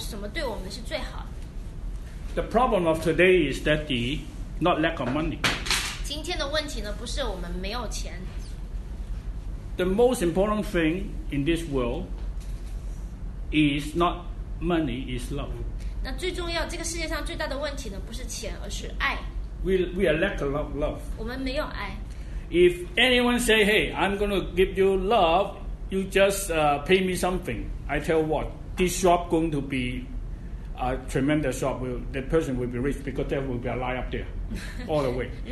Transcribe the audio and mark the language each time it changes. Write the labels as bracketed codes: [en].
[zh] 那神跟我们说，他神爱我们，神知道什么对我们是最好的。 [en] The problem of today is that the not lack of money. [zh] 今天的问题呢，不是我们没有钱。 [en] The most important thing in this world is not money, is love. [zh] 那最重要，这个世界上最大的问题呢，不是钱，而是爱。 [en] We are lack of love. [zh] 我们没有爱。 [en] If anyone say, "Hey, I'm going to give you love, you just pay me something," I tell what this shop going to be. A tremendous shop, the person will be rich because there will be a lie up there all the way.